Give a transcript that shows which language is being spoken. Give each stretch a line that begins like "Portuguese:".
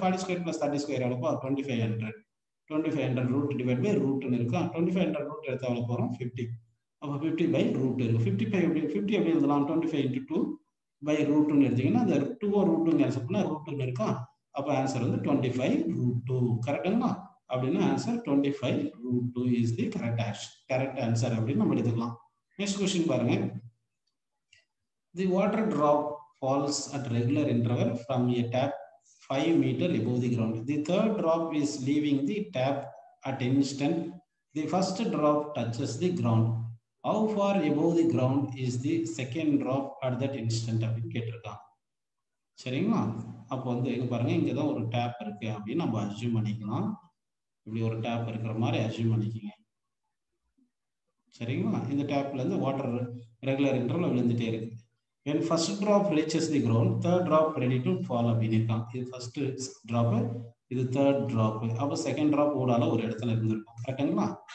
Tamil: Forty square plus thirty square எவ்வளோப்போ twenty five hundred, twenty five hundred root divide by ரூட்னு இருக்கா, twenty five hundred root எடுத்து எவ்வளோ போகிறோம் fifty, அப்போ fifty by root இருக்கும், fifty five எப்படி fifty எப்படி எழுதலாம், twenty five into two by ரூட்னு எடுத்தீங்கன்னா அந்த டூ ரூட்டுன்னு ஆன்சர் பண்ணால் ரூட்னு இருக்கா, அப்போ ஆன்சர் வந்து டுவெண்ட்டி ஃபைவ் ரூட் டூ கரெக்டுங்களா.
English: அப்படின்னா answer twenty five root two is the correct answer
Tamil: அப்படின்னு நம்ம எடுத்துக்கலாம்.
English: next question
Tamil: பாருங்கள்,
English: The water drop falls at regular interval from a tap 5 meter above the ground. The third drop is leaving the tap at instant. The first drop touches the ground. How far above the ground is the second drop at that instant?
Tamil: அப்படின்னு கேட்டிருக்கான் சரிங்களா. அப்போ வந்து இங்க பாருங்க இங்க தான் ஒரு டேப் இருக்கு அப்படி நம்ம அஸ்யூம் பண்ணிக்கலாம் இப்படி ஒரு டேப் இருக்கிற மாதிரி அஸ்யூம் பண்ணிக்கங்க சரிங்களா இந்த டேப்ல இருந்து வாட்டர் ரெகுலர் இன்டர்வல்ல விழுந்துட்டே இருக்கு
English: when first drop reaches the ground third drop ready to fall up
Tamil: இருக்கும் இது first drop இது third drop அப்ப செகண்ட் drop ஓடால ஒரு இடத்துல இருந்துருக்கும் கரெக்ட்டுங்களா